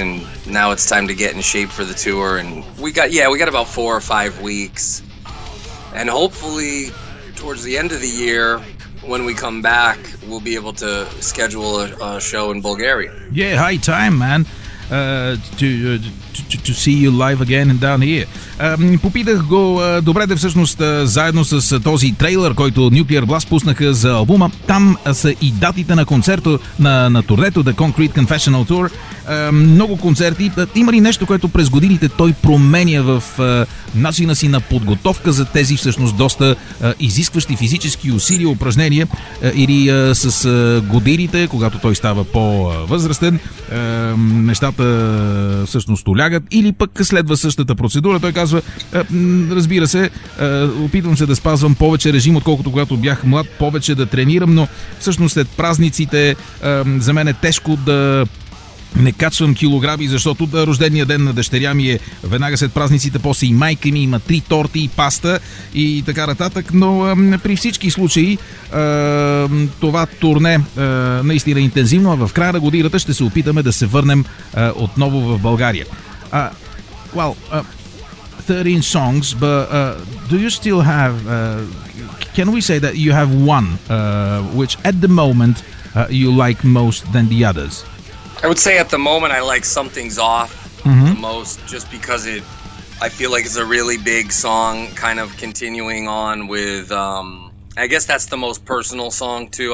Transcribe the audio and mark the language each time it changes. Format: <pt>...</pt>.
<en>And now it's time to get in shape for the tour. And we got about 4 or 5 weeks. And hopefully towards the end of the year, when we come back, we'll be able to schedule a show in Bulgaria. Yeah, high time, man, to see you live again and down here.</en> <bg>Попитах го, добре де всъщност, заедно с този трейлер, който Nuclear Blast пуснаха за албума. Там са и датите на концерто, на турнето, The Concrete Confessional Tour. Много концерти. Има ли нещо, което през годините той променя в начина си на подготовка за тези всъщност доста изискващи физически усилия, упражнения, или с годините, когато той става по-възрастен, нещата всъщност улягат, или пък следва същата процедура? Той казва, разбира се, опитвам се да спазвам повече режим, отколкото когато бях млад, повече да тренирам, но всъщност след празниците за мен е тежко да не качвам килограми, защото да, рождения ден на дъщеря ми е веднага след празниците, после и майка ми има 3 торти и паста и така нататък, но при всички случаи това турне наистина интензивно, а в края на годината ще се опитаме да се върнем отново в България.</bg> <en>Well, 13 songs, but do you still have, can we say that you have one which at the moment you like most than the others? I would say at the moment I like Something's Off mm-hmm. the most, just because I feel like it's a really big song, kind of continuing on with, I guess that's the most personal song too.</en>